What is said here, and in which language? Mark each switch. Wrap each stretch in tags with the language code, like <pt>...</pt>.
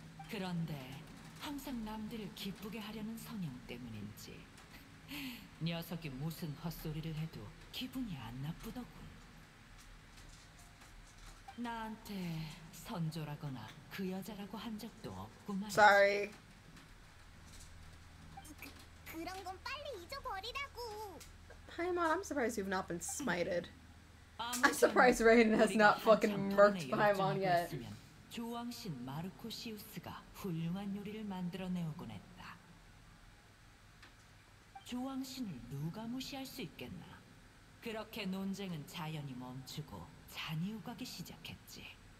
<ko>그런데 항상 남들을 기쁘게 하려는 성향 때문인지 녀석이 무슨 헛소리를 해도 기분이 안 나쁘더군. 나한테 선조라거나 그 여자라고 한 적도 없구만.</ko> <en>Sorry.</en> <ko>그런 건 빨리 잊어버리라고.</ko> <en>Paimon, I'm surprised you've not been smited. I'm surprised Rain has not fucking murked Paimon yet.</en> <ko>조왕신 마르코시우스가 훌륭한 요리를 만들어내오곤 했다. 조왕신을 누가 무시할 수 있겠나? 그렇게 논쟁은 자연히 멈추고 잔이 오가기 시작했지.</ko>